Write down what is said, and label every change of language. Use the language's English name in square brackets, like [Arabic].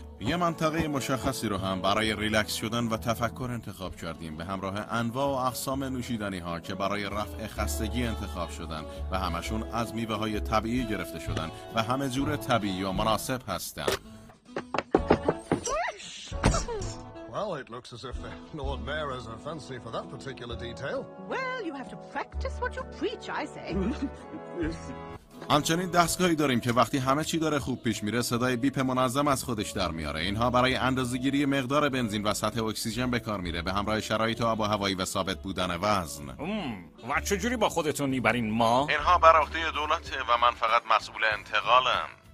[Persian] یه منطقه مشخصی رو هم برای ریلکس شدن و تفکر انتخاب کردیم، به همراه انواع و اقسام نوشیدنی ها که برای رفع خستگی انتخاب شدن و همشون از میوه های طبیعی گرفته شدن و همه جور طبیعی و مناسب هستن. [English] Well, it looks as if the Lord Mayor has a fancy for that particular detail. Well, you have to practice what you preach, I say. [Persian] همچنین دستگاهی داریم که وقتی همه چی داره خوب پیش میره صدای بیپ منظم از خودش در میاره. اینها برای اندازه‌گیری مقدار بنزین و سطح اکسیژن به کار میره، به همراه شرایط آب و هوایی و ثابت بودن وزن. و چجوری با خودتون میبرین ما؟ اینها بر عهده دولت و من فقط مسئول انتقالم.